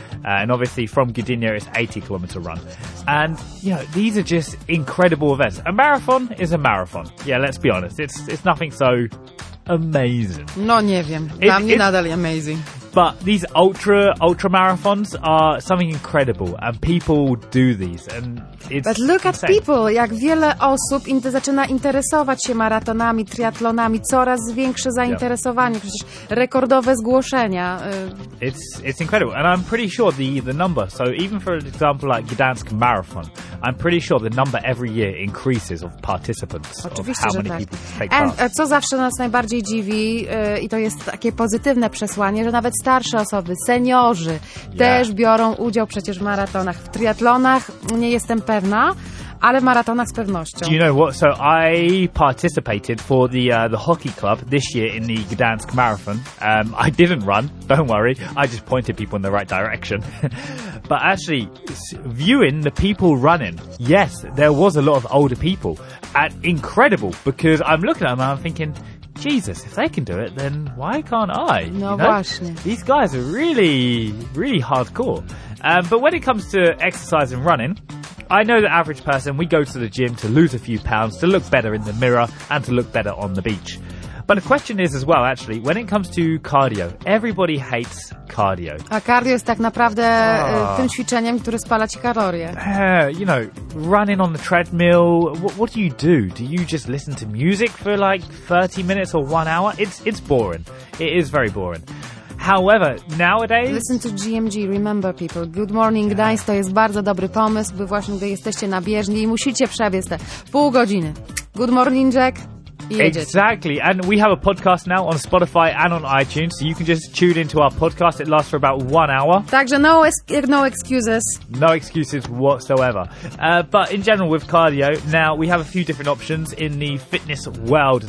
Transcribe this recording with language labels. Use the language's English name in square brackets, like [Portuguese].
[English] And obviously from Gdynia, it's 80 kilometer run. And, you know, these are just incredible events. A marathon is a marathon. Yeah, let's be honest. It's nothing so amazing. [Polish] No, nie wiem. Dla mnie nadal [English] amazing. But these ultra marathons are something incredible, and people do these. And it's but look insane. At people, [Polish] jak wiele osób zaczyna interesować się maratonami, triatlonami, coraz większe zainteresowanie, przecież rekordowe zgłoszenia. [English] It's incredible, and I'm pretty sure the number. So even for example like Gdansk Marathon, I'm pretty sure the number every year increases of participants. [Polish] Oczywiście, [English] of how many [Polish] tak. [English] people take and, part. [Polish] And co zawsze nas najbardziej dziwi i to jest takie pozytywne przesłanie, że nawet starsze osoby, seniorzy też biorą udział przecież w maratonach. W triatlonach nie jestem pewna, ale w maratonach z pewnością. [English] Do you know what? So I participated for the hockey club this year in the Gdansk Marathon. I didn't run, don't worry. I just pointed people in the right direction. But actually, viewing the people running, yes, there was a lot of older people. And incredible, because I'm looking at them and I'm thinking, Jesus, if they can do it, then why can't I? No, you know? [Polish] Właśnie. [English] These guys are really, really hardcore. But when it comes to exercise and running, I know the average person, we go to the gym to lose a few pounds, to look better in the mirror, and to look better on the beach. But the question is as well, actually, when it comes to cardio, everybody hates cardio. [Polish] A cardio jest tak naprawdę tym ćwiczeniem, które spala ci kalorie. [English] You know, running on the treadmill, what do you do? Do you just listen to music for like 30 minutes or 1 hour? It's boring. It is very boring. However, nowadays... Listen to GMG, remember people. Good morning, guys. Yeah. [Polish] To jest bardzo dobry pomysł, by właśnie gdy jesteście na bieżni i musicie przebiec te pół godziny. [English] Good morning, Jack. Exactly, and we have a podcast now on Spotify and on iTunes, so you can just tune into our podcast. It lasts for about 1 hour. [Polish] Także [English] no excuses. No excuses whatsoever. But in general, with cardio, now we have a few different options in the fitness world.